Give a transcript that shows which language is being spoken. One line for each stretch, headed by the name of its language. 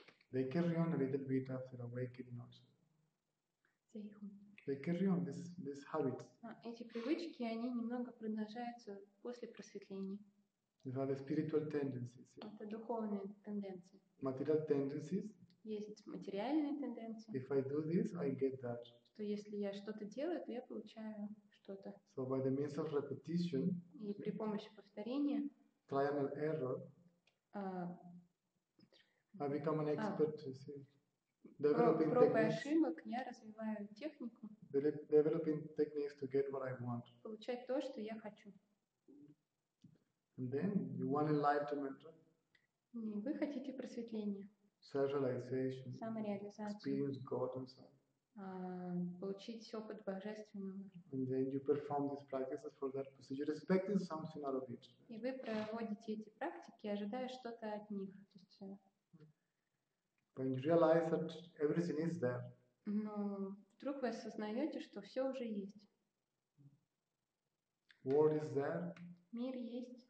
English: They carry on a little bit after awakening also. They carry on this habit.
Russian: Эти привычки, они немного продолжаются после просветления.
English: These are the spiritual tendencies.
Russian: Это духовные тенденции.
English: Material tendencies.
Russian: Есть материальные тенденции.
English: If I do this, I get that.
Russian: Что если я что-то делаю, то я получаю что-то.
English: So by the means of repetition.
Russian: И при помощи повторения.
English: Trial and error. I become an expert, you see. Developing
Russian: проб
English: techniques.
Russian: Ошибок, я развиваю технику.
English: Developing techniques to get what I want.
Russian: Получать то, что я хочу.
English: And then you want enlightenment.
Russian: И вы хотите просветления.
English: Self-realization.
Russian: Самореализацию.
English: Experience God and so on.
Russian: Получить опыт божественного.
English: And then you perform these practices for that procedure, expecting something out of it.
Russian: И вы проводите эти практики, ожидая что-то от них.
English: When you realize that everything is there.
Russian: Но вдруг вы осознаете, что все уже есть.
English: World is there.
Russian: Мир есть.